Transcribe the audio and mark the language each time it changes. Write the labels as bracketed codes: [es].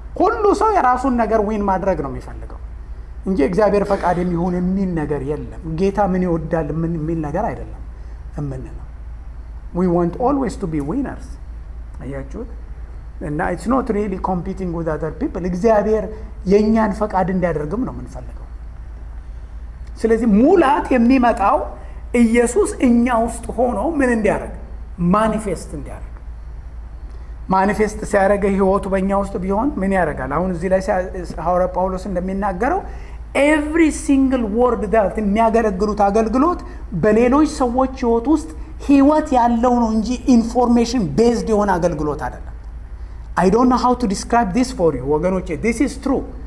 [am] ሁሉ ሰው የራሱን ነገር ዊን ማድረግ ነው የሚፈልገው እንጂ እግዚአብሔር ፈቃድ የሚሆን የሚል ነገር የለም። ጌታ ምን ይወዳል ምን የሚል ነገር አይደለም እምንለው። [en] We want always to be winners. [am] አያችሁት? [en] እና it's not really competing with other people. [am] እግዚአብሔር የኛን ፈቃድ እንዲያደርግም ነው የምንፈልገው። ስለዚህ ሙላት የሚመጣው ኢየሱስ እኛ ውስጥ ሆኖ ምን እንዲያደርግ ማኒፌስት እንዲያደርግ ማኒፌስት ሲያደርገ ህይወቱ በእኛ ውስጥ ቢሆን ምን ያደርጋል አሁን እዚህ ላይ ሳውረ ጳውሎስ እንደሚናገረው [en] every single word that [am] የሚያገለግሉት አገልግሎት በሌሎች ሰዎች ህይወት ውስጥ ህይወት ያለው ነው እንጂ ኢንፎርሜሽን ቤዝድ የሆነ አገልግሎት አይደለም [en] I don't know how to describe this for you [am] ወገኖቼ [en] this is true